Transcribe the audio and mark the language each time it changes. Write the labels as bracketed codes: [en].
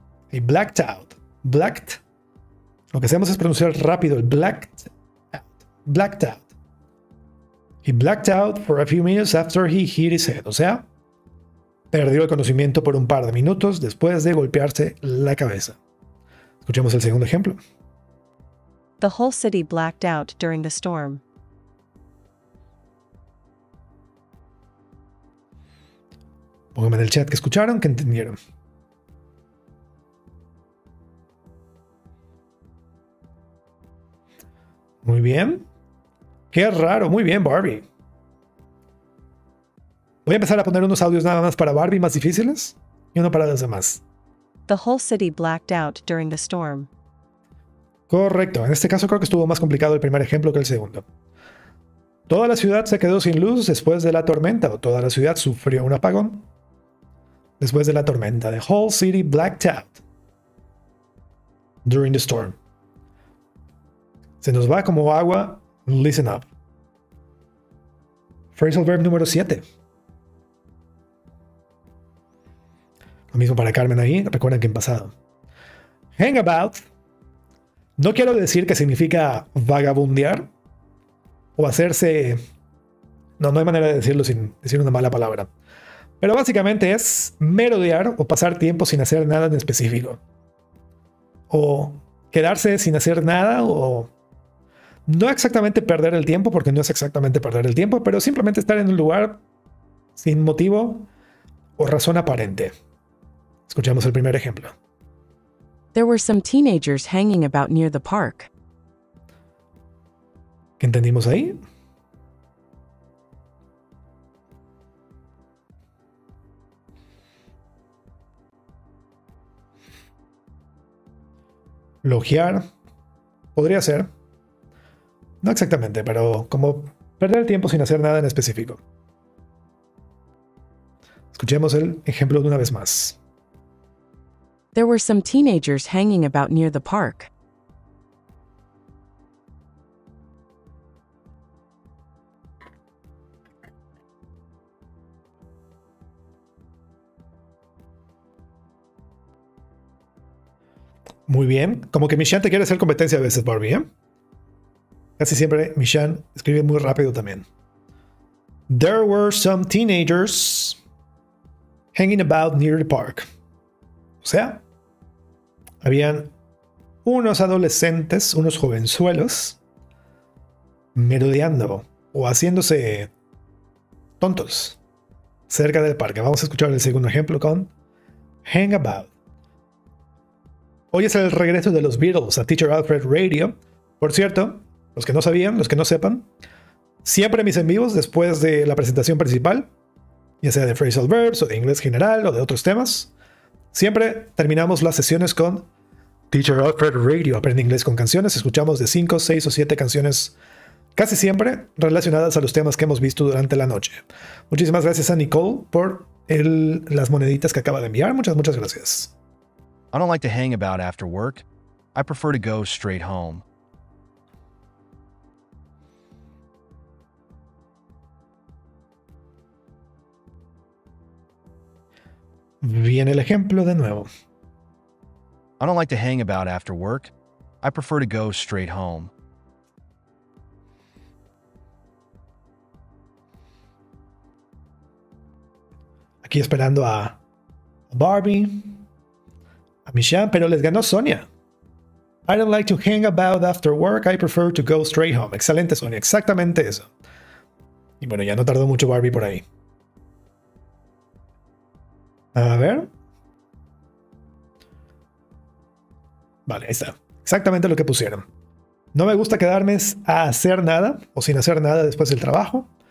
[en] He blacked out, blacked. [es] Lo que hacemos es pronunciar rápido el [en] blacked out. He blacked out for a few minutes after he hit his head. [es] O sea, Perdió el conocimiento por un par de minutos después de golpearse la cabeza. Escuchemos el segundo ejemplo. [en] The whole city blacked out during the storm. [es] Pónganme en el chat que escucharon, que entendieron. Muy bien. Qué raro. Muy bien, Barbie. Voy a empezar a poner unos audios nada más para Barbie más difíciles y uno para los demás. [en] The whole city blacked out during the storm. [es] Correcto. En este caso creo que estuvo más complicado el primer ejemplo que el segundo. Toda la ciudad se quedó sin luz después de la tormenta, o toda la ciudad sufrió un apagón después de la tormenta. [en] The whole city blacked out during the storm. [es] Se nos va como agua. [en] Listen up. [es] Phrasal verb número 7. Lo mismo para Carmen ahí. Recuerden que en pasado. Hang about. No quiero decir que significa vagabundear o hacerse... No, no hay manera de decirlo sin decir una mala palabra. Pero básicamente es merodear o pasar tiempo sin hacer nada en específico. O quedarse sin hacer nada o... No exactamente perder el tiempo, porque no es exactamente perder el tiempo, pero simplemente estar en un lugar sin motivo o razón aparente. Escuchamos el primer ejemplo. [en] There were some teenagers hanging about near the park. [es] ¿Qué entendimos ahí? Logiar. Podría ser. No exactamente, pero como perder el tiempo sin hacer nada en específico. Escuchemos el ejemplo de una vez más. [en] There were some teenagers hanging about near the park. [es] Muy bien. Como que Michelle te quiere hacer competencia a veces, Barbie, ¿eh? Casi siempre Michan escribe muy rápido también. [en] There were some teenagers hanging about near the park. [es] O sea, habían unos adolescentes, unos jovenzuelos, merodeando o haciéndose tontos cerca del parque. Vamos a escuchar el segundo ejemplo con hang about. Hoy es el regreso de los Beatles a Teacher Alfred Radio. Por cierto, los que no sabían, los que no sepan, siempre mis en vivos después de la presentación principal, ya sea de phrasal verbs o de inglés general o de otros temas, siempre terminamos las sesiones con Teacher Alfred Radio, aprende inglés con canciones. Escuchamos de 5, 6 o 7 canciones, casi siempre relacionadas a los temas que hemos visto durante la noche. Muchísimas gracias a Nicole por las moneditas que acaba de enviar. Muchas, muchas gracias. [en] I don't like to hang about after work. I prefer to go straight home. [es] Viene el ejemplo de nuevo. [en] I don't like to hang about after work. I prefer to go straight home. [es] Aquí esperando a Barbie, a Michelle, pero les ganó Sonia. [en] I don't like to hang about after work. I prefer to go straight home. [es] Excelente, Sonia. Exactamente eso. Y bueno, ya no tardó mucho Barbie por ahí. A ver. Vale, ahí está. Exactamente lo que pusieron. No me gusta quedarme a hacer nada o sin hacer nada después del trabajo.